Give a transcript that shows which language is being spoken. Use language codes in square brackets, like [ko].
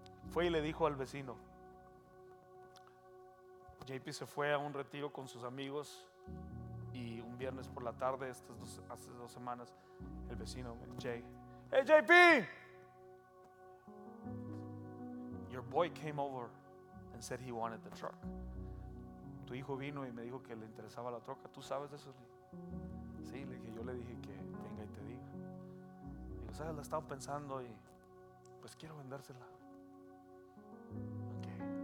[es] Fue y le dijo al vecino. JP se fue a un retiro con sus amigos y un viernes por la tarde, hace dos semanas, el vecino, Jay: ¡hey, JP! [en] Your boy came over and said he wanted the truck. [es] Tu hijo vino y me dijo que le interesaba la troca. ¿Tú sabes de eso? Sí, le dije, yo le dije que venga y te diga. Digo, ¿sabes? La estaba pensando y pues quiero vendérsela. Okay.